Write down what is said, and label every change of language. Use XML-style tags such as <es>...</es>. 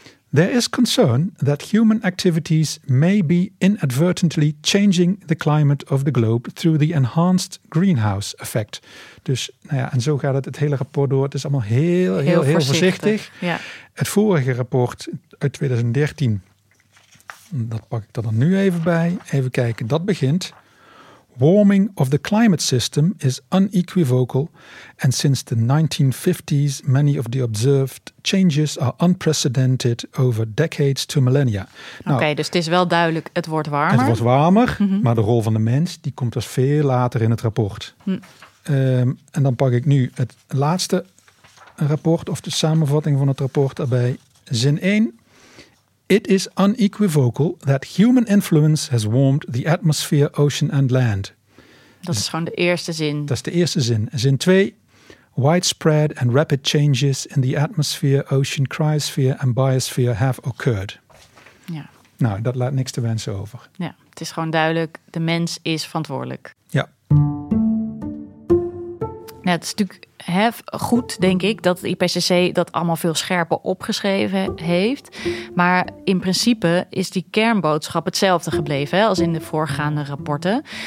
<en>There is concern that human activities may be inadvertently changing the climate of the globe through the enhanced greenhouse effect.</en> <nl>Dus, nou ja, en zo gaat het hele rapport door. Het is allemaal heel voorzichtig. Ja. Het vorige rapport uit 2013, dat pak ik dan nu even bij. Even kijken, dat begint.</nl> <en>Warming of the climate system is unequivocal, and since the 1950s, many of the observed changes are unprecedented over decades to millennia.</en> <nl>Nou, oké, dus het is wel duidelijk, het wordt warmer. Het wordt warmer, mm-hmm. Maar de rol van de mens die komt dus veel later in het rapport. Mm. En dan pak ik nu het laatste rapport, of de samenvatting van het rapport, daarbij zin 1.</nl> <en>It is unequivocal that human influence has warmed the atmosphere, ocean and land.</en> <nl>Dat is gewoon de eerste zin. Dat is de eerste zin. Zin 2.</nl> <en>Widespread and rapid changes in the atmosphere, ocean, cryosphere and biosphere have occurred.</en> <nl>Ja. Nou, dat laat niks te wensen over. Ja, het is gewoon duidelijk. De mens is verantwoordelijk. Ja. Ja, het is natuurlijk goed, denk ik, dat het IPCC dat allemaal veel scherper opgeschreven heeft. Maar in principe is die kernboodschap hetzelfde gebleven, hè, als in de voorgaande rapporten.</nl>